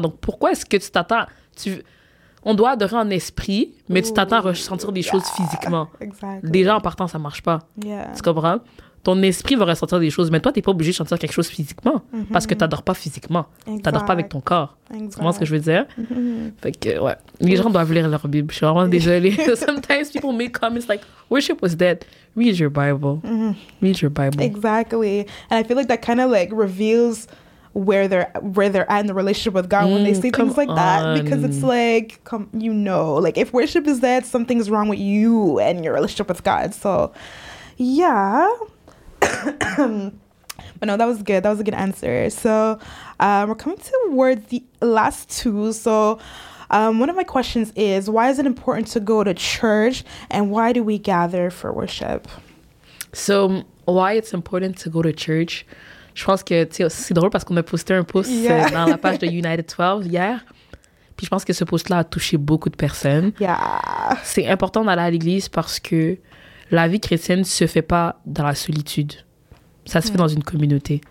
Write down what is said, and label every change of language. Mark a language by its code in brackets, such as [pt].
[fr] Donc, pourquoi est-ce que tu t'attends? On doit adorer en esprit, mais tu t'attends à ressentir des choses physiquement. [en] Exactly. [fr] Déjà, en partant, ça ne marche pas. [en] Yeah. [fr] Tu comprends? Ton esprit va ressentir des choses, mais toi, tu n'es pas obligé de sentir quelque chose physiquement mm-hmm. parce que tu n'adores pas physiquement. Tu n'adores pas avec ton corps. Exact. Tu comprends ce que je veux dire? Mm-hmm. Fait que, ouais. Les gens doivent lire leur Bible. Je suis vraiment désolée. [en] Sometimes people make comments like, worship was dead. Read your Bible. Mm-hmm. Read your Bible. Exactly. And I feel like that kind of like reveals where they're at in the relationship with God when they say things like that, because it's like, you know, like if worship is dead, something's wrong with you and your relationship with God. So, yeah. But no, that was good. That was a good answer. So, we're coming towards the last two. So, one of my questions is, why is it important to go to church and why do we gather for worship? So, why it's important to go to church? [fr] Je pense que, tu sais, c'est drôle parce qu'on a posté un post dans la page de United 12 hier. Puis je pense que ce post-là a touché beaucoup de personnes. [en] Yeah. [fr] C'est important d'aller à l'église parce que la vie chrétienne ne se fait pas dans la solitude. Ça se fait dans une communauté.